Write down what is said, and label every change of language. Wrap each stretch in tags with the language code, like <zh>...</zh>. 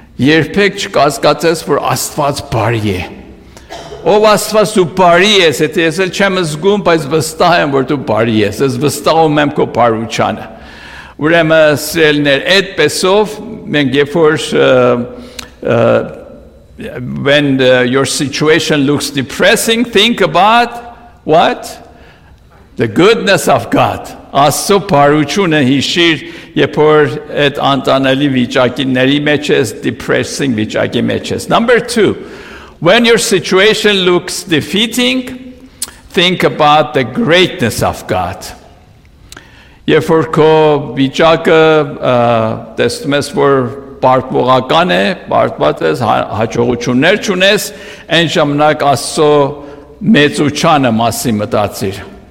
<hy>երբեք չկասկածես, որ Աստված բարի է, ով Աստված դու բարի ես, եթե ես էլ չեմ զգում, բայց վստահ եմ, որ դու բարի ես, ես վստահում եմ քո բարությանը։ Ուրեմն սիրելիներ, այդպեսով մենք երբ որ</hy> <en>when your situation looks depressing, think about what? The goodness of God.</en> <hy>Աստծո բարությունը հիշիր, երբ որ այդ անտանելի վիճակիների մեջ ես, depressing վիճակի մեջ ես։</hy> <en>Number two, When your situation looks defeating, think about the greatness of God.</en> <hy>Երբոր քո վիճակը տեսնում ես, որ պարտվողական է, պարտված ես, հաջողություններ չունես, այն ժամանակ Աստծո մեծությանը մասին մտածիր.</hy>